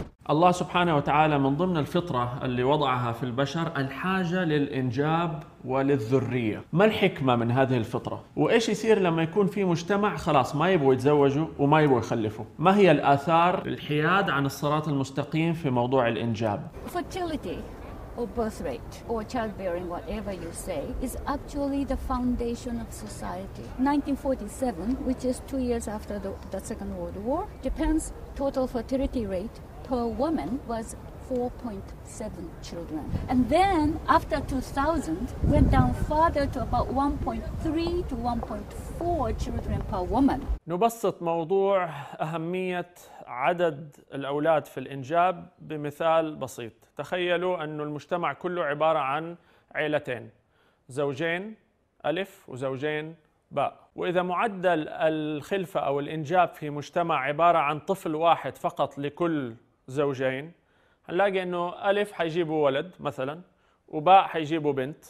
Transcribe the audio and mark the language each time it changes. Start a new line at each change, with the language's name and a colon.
Arabic: الله سبحانه وتعالى من ضمن الفطرة اللي وضعها في البشر الحاجة للإنجاب وللذرية. ما الحكمة من هذه الفطرة؟ وإيش يصير لما يكون في مجتمع خلاص ما يبغوا يتزوجوا وما يبغوا يخلفوا؟ ما هي الآثار الحياد عن الصراط المستقيم في موضوع الإنجاب؟
English: Fertility or birth rate or childbearing, whatever you say, is actually the foundation of society. 1947, which is 2 years after the Second World War, Japan's total fertility rate per woman was 4.7 children. And then after 2000, went down further to about 1.3 to 1.4 children per woman.
Arabic: نبسط موضوع أهمية عدد الأولاد في الإنجاب بمثال بسيط. تخيلوا أن المجتمع كله عبارة عن عيلتين، زوجين ألف وزوجين باء. وإذا معدل الخلفة أو الإنجاب في مجتمع عبارة عن طفل واحد فقط لكل زوجين، هنلاقي أنه ألف حيجيبوا ولد مثلا وباء حيجيبوا بنت.